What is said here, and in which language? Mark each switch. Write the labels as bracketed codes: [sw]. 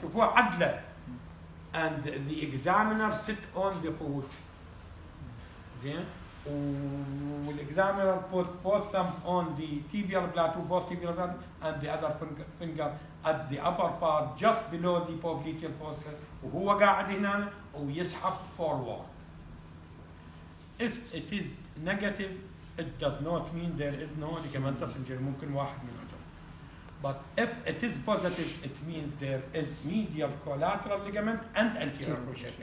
[ar] شوفوا عدلة. [en] And the examiner sit on the foot. Then, the examiner put both them on the tibial plateau, both tibial plateau, and the other finger at the upper part, just below the popliteal fossa. [ar] وهو قاعد هنا ويسحب forward. [en] If it is negative, it does not mean there is no ligamentous injury. [ar] ممكن واحد من عندهم. [en] But if it is positive, it means there is medial collateral ligament and anterior cruciate.